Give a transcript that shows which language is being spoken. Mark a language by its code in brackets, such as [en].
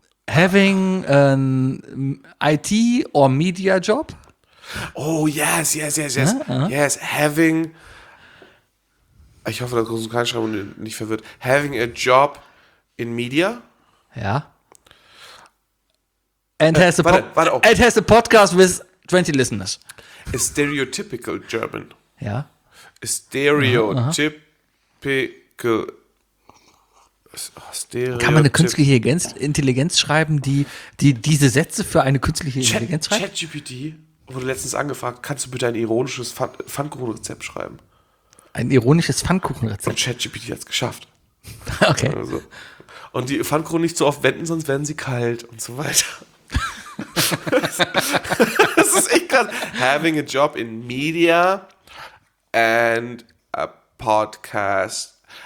[en] Having an IT or media job. Oh, yes. Yes, having. [de] Ich hoffe, dass du keinen Schreibung nicht verwirrt. [en] Having a job in Media. [de] Ja. [en] And has a podcast with 20 listeners. A stereotypical German. [de] Ja. [en] A stereotypical. [de] Kann man eine künstliche Intelligenz schreiben, die diese Sätze für eine künstliche Intelligenz schreibt? ChatGPT wurde letztens angefragt, kannst du bitte ein ironisches Pfannkuchenrezept schreiben? Ein ironisches Pfannkuchenrezept? Und ChatGPT hat es geschafft. Okay. Also. Und die Pfannkuchen nicht so oft wenden, sonst werden sie kalt und so weiter. Das ist echt krass. [en] Having a job in media and a podcast.